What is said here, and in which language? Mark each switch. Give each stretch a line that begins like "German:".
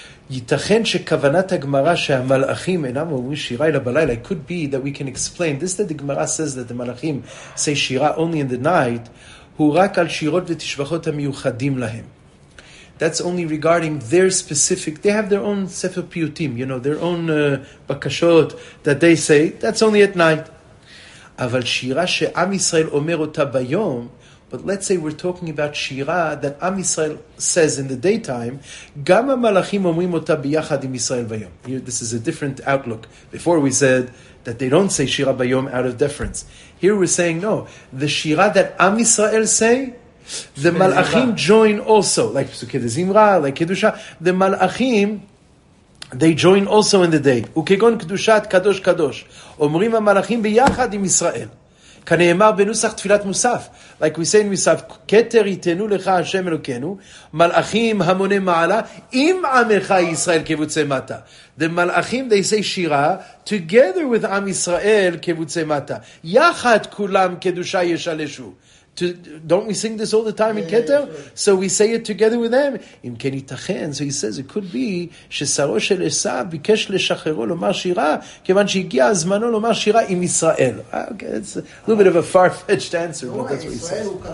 Hebrew: ייתכן שכוונת הגמרא שהמלאכים אינם אומרים שירה אלא בלילה.
English: It could be that we can explain. This that the Gemara says that the מלאכים say שירה only in the night,
Hebrew: הוא רק על שירות ותשבחות המיוחדים להם.
English: That's only regarding their specific, they have their own ספר פיוטים, you know, their own בקשות that they say, that's only at night.
Hebrew: אבל שירה שעם ישראל אומר אותה ביום,
English: but let's say we're talking about Shira that Am Yisrael says in the daytime,
Hebrew: Gama Malachim Omrim Ota Biyachad Im Yisrael Bayom.
English: Here, this is a different outlook. Before we said that they don't say Shira Bayom out of deference. Here we're saying, no, the Shira that Am Yisrael say, the Malachim join also, like Pesukei Dezimra, like Kedusha, the Malachim, they join also in the day.
Hebrew: Ukegon Kedushat Kadosh Kadosh. Omrim HaMalachim Biyachad Im Yisrael. כנאמר בנוסח תפילת מוסף,
English: like we say in מוסף,
Hebrew: כתר ייתנו לך השם אלוקנו, מלאכים המוני מעלה, עם עמך ישראל כבוצי מטה.
English: The מלאכים, they say שירה, together with עם ישראל כבוצי מטה.
Hebrew: יחד כולם קדושה ישלשו.
English: Don't we sing this all the time in Keter? Yeah, sure. So we say it together with them.
Hebrew: אם כן ייתכן,
English: so he says, it could be
Hebrew: ששרו של עשיו ביקש לשחררו לומר שירה, כיוון שהגיע הזמנו לומר שירה עם ישראל.
English: Okay, it's a little bit of a far-fetched answer, but that's what he says.